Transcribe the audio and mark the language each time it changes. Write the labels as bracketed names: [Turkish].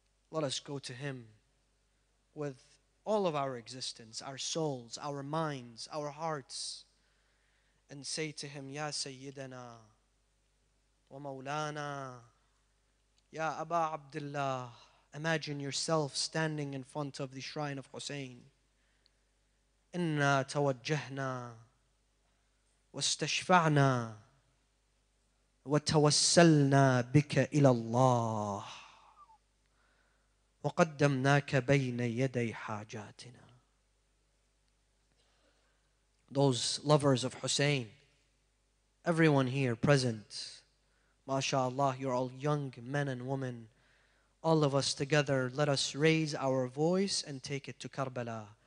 [English] Let us go to him with all of our existence, our souls, our minds, our hearts, and say to him, [Arabic] Ya Sayyidana wa Mawlana, Ya Aba Abdullah, [English] imagine yourself standing in front of the shrine of Hussein. [Arabic] Inna tawajjahna واستشفعنا وتوسلنا بك إلى الله وقدمناك بين يدي حاجاتنا. [English] Those lovers of Hussein, everyone here present, mashallah, you're all young men and women. All of us together, let us raise our voice and take it to Karbala.